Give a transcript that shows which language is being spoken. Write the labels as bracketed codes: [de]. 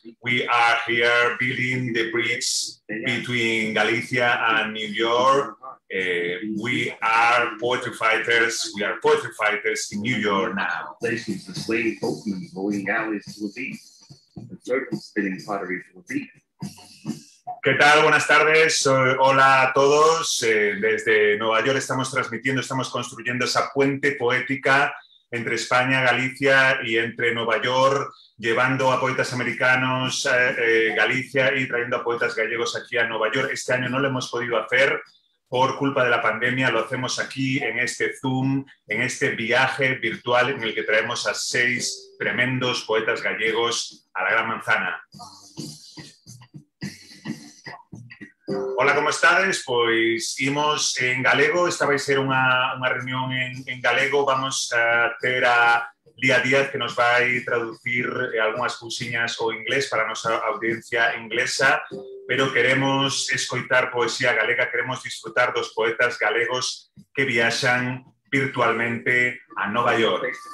[en] We are here building the bridge between Galicia and New York. We are poetry fighters. We are poetry fighters in New York now. Places, the slain boatmen, bowling galleys to the beat, the circle spinning pottery to the beat. [es] ¿Qué tal? Buenas tardes. Hola a todos. Desde Nueva York estamos transmitiendo, estamos construyendo esa puente poética entre España, Galicia y entre Nueva York, llevando a poetas americanos a Galicia y trayendo a poetas gallegos aquí a Nueva York. Este año no lo hemos podido hacer por culpa de la pandemia. Lo hacemos aquí en este Zoom, en este viaje virtual en el que traemos a 6 tremendos poetas gallegos a la Gran Manzana. Hola, ¿cómo estáis? [gl] Pues imos en galego, esta vai ser unha reunión en galego. Vamos a ter a Lía Díaz, que nos vai traducir algunhas cousiñas ao inglés para a nosa audiencia inglesa, pero queremos escoitar poesía galega, queremos disfrutar dos poetas galegos que viaxan virtualmente a Nova York.